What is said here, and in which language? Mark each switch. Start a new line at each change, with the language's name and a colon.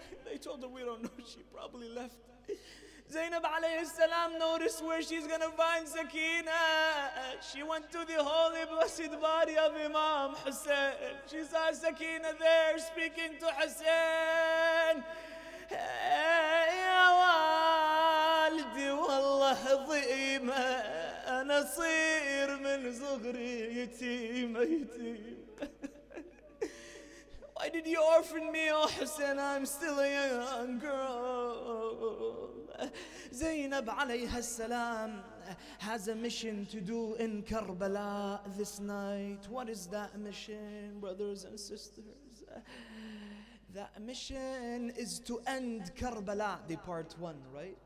English: They told her, we don't know, she probably left. Zainab alayhi salam noticed where she's gonna find Sakina. She went to the holy blessed body of Imam Hussein. She saw Sakina there speaking to Hussein.
Arabic: يا والدي والله حظيمة أنا صير من صغري يتيمة يتيمة.
English: Why did you orphan me, oh Hussein, I'm still a young girl. Zainab alayha salam has a mission to do in Karbala this night. What is that mission, brothers and sisters? That mission is to end Karbala, the part one, right?